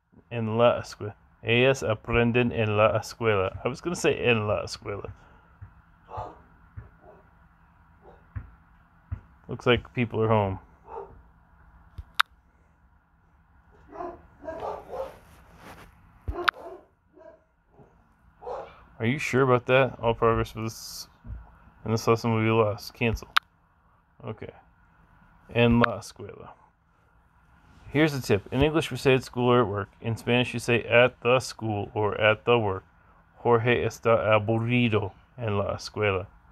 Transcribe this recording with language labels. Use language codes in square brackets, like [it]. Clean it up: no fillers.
[es] En la escuela. Ellas aprenden en la escuela. [en] I was going to say [es] en la escuela. [en] Looks like people are home. Are you sure about that? All progress in this lesson will be lost. Cancel. Okay. [es] En la escuela. [en] Here's a tip. In English, we say at school or at work. In Spanish, you say at the school or at the work. [es] Jorge está aburrido en la escuela.